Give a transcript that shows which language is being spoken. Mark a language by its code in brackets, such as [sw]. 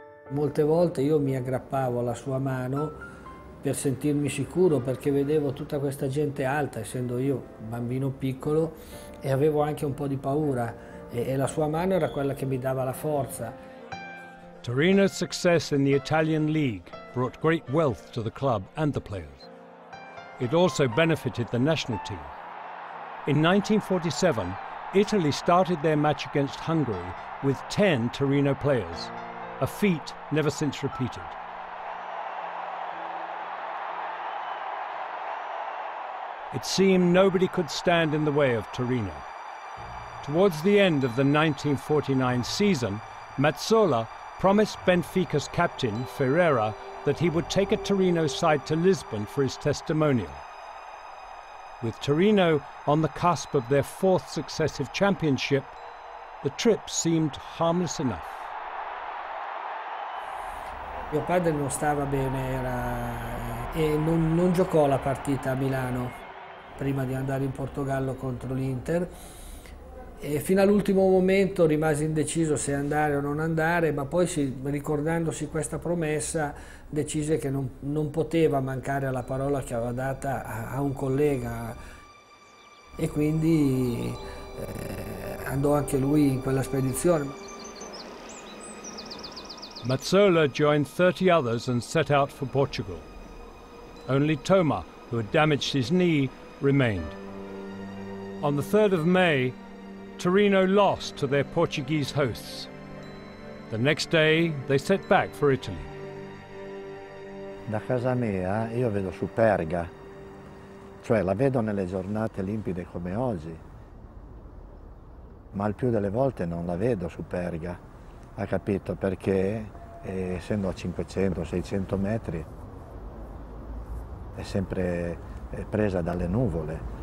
[it] Molte volte io mi aggrappavo alla sua mano per sentirmi sicuro, perché vedevo tutta questa gente alta, essendo io bambino piccolo, e avevo anche un po' di paura, e la sua mano era quella che mi dava la forza. [en] Torino's success in the Italian League brought great wealth to the club and the players. It also benefited the national team. In 1947, Italy started their match against Hungary with 10 Torino players. A feat never since repeated. It seemed nobody could stand in the way of Torino. Towards the end of the 1949 season, Mazzola promised Benfica's captain, Ferreira, that he would take a Torino side to Lisbon for his testimonial. With Torino on the cusp of their fourth successive championship, the trip seemed harmless enough. [it] Mio padre non stava bene, e non giocò la partita a Milano prima di andare in Portogallo contro l'Inter, e fino all'ultimo momento rimase indeciso se andare o non andare, ma poi, ricordandosi questa promessa, decise che non poteva mancare alla parola che aveva data a un collega, e quindi andò anche lui in quella spedizione. [en] Mazzola joined 30 others and set out for Portugal. Only Toma, who had damaged his knee, remained. On the 3rd of May, Torino lost to their Portuguese hosts. The next day, they set back for Italy. [it] Da casa mia, io vedo Superga. Cioè, la vedo nelle giornate limpide come oggi. Ma il più delle volte non la vedo Superga. Ha capito perché? Essendo a 500-600 metri, è sempre presa dalle nuvole.